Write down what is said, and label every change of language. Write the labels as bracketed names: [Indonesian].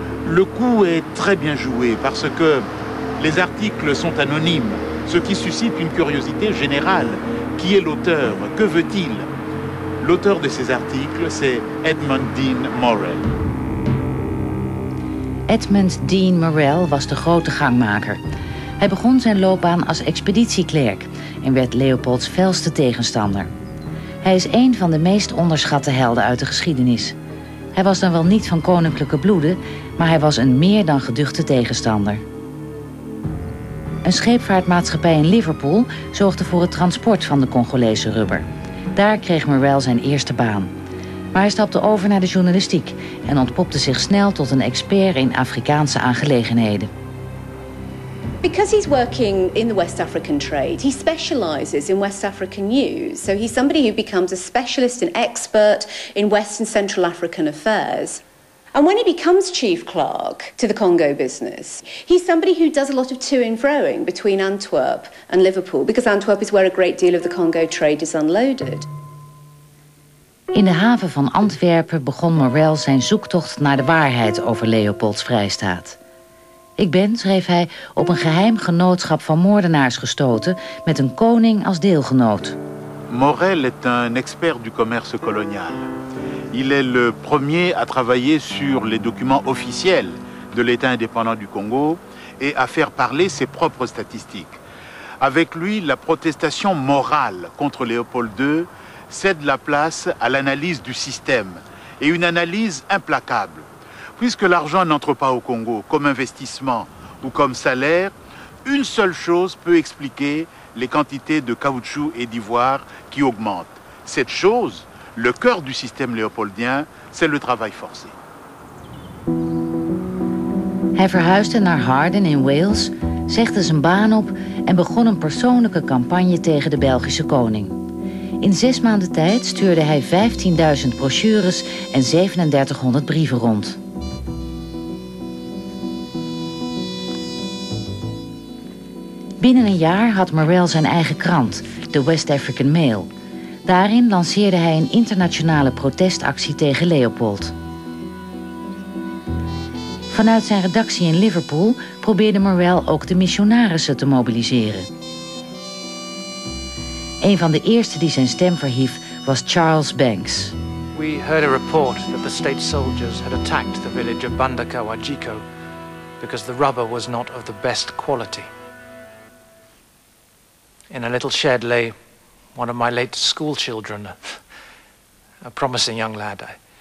[French] Le coup est très bien joué parce que les articles sont anonymes, ce qui suscite une curiosité générale. Qui est l'auteur? Que veut-il? L'auteur de ces articles, c'est Edmund Dean Morrell. [Dutch] Edmund Dean Morrell was de grote gangmaker. Hij begon zijn loopbaan als expeditieklerk en werd Leopolds felste tegenstander. Hij is een van de meest onderschatte helden uit de geschiedenis. Hij was dan wel niet van koninklijke bloede, maar hij was een meer dan geduchte tegenstander. Een scheepvaartmaatschappij in Liverpool zorgde voor het transport van de Congolese rubber. Daar kreeg Morrell zijn eerste baan. Maar hij stapte over naar de journalistiek en ontpopte zich snel tot een expert in Afrikaanse aangelegenheden. [English] Because he's working in the West African trade, he specializes in West African news. So he's somebody who becomes a specialist and expert in West and Central African affairs. And when he becomes chief clerk to the Congo business, he's somebody who does a lot of to and froing between Antwerp and Liverpool, because Antwerp is where a great deal of the Congo trade is unloaded. [Dutch] In de haven van Antwerpen begon Morrell zijn zoektocht naar de waarheid over Leopolds Vrijstaat. Ik ben, schreef hij, op een geheim genootschap van moordenaars gestoten met een koning als deelgenoot. [French] Morrell est un expert du commerce colonial. Il est le premier à travailler sur les documents officiels de l'État indépendant du Congo et à faire parler ses propres statistiques. Avec lui, la protestation morale contre Léopold II cède la place à l'analyse du système et une analyse implacable. Puisque l'argent n'entre pas au Congo comme investissement ou comme salaire, une seule chose peut expliquer les quantités de caoutchouc et d'ivoire qui augmentent. Cette chose, le cœur du système léopoldien, c'est le travail forcé. [Dutch] Hij verhuisde naar Harden in Wales, zegde zijn baan op en begon een persoonlijke campagne tegen de Belgische koning. In 6 maanden tijd stuurde hij 15.000 brochures en 3700 brieven rond. Binnen een jaar had Morrell zijn eigen krant, de West African Mail. Daarin lanceerde hij een internationale protestactie tegen Leopold. Vanuit zijn redactie in Liverpool probeerde Morrell ook de missionarissen te mobiliseren. Een van de eerste die zijn stem verhief was Charles Banks. [English] We heard a report that the state soldiers had attacked the village of Bandaka Wajiko. because the rubber was not of the best quality. In a little shed lay one of my late school children, a promising young lad.